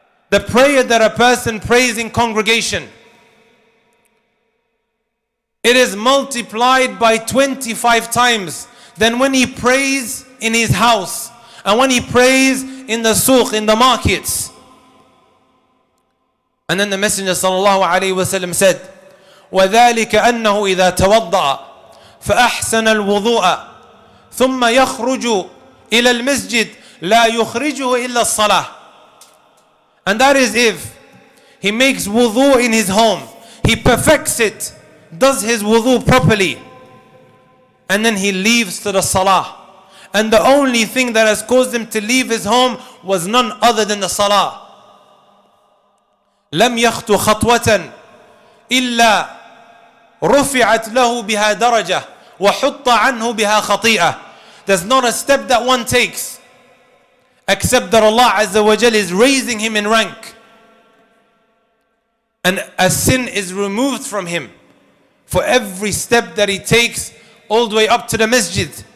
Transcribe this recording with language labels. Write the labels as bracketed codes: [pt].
[en] The prayer that a person prays in congregation, it is multiplied by 25 times than when he prays in his house and when he prays in the souq, in the markets. And then the Messenger sallallahu alayhi wa sallam said, [ar] وَذَلِكَ أَنَّهُ إِذَا تَوَضَّعَ فأحسن الوضوء ثم يخرج إلى المسجد لا يخرجه إلا الصلاة. [en] And that is if he makes wudu in his home, he perfects it, does his wudu properly, and then he leaves to the salah. And the only thing that has caused him to leave his home was none other than the salah. [ar] لم يخطو خطوة إلا رفعت له بها درجة وحط عنه بها خطيئة. [en] There's not a step that one takes except that Allah Azza wa Jal is raising him in rank, and a sin is removed from him for every step that he takes all the way up to the masjid.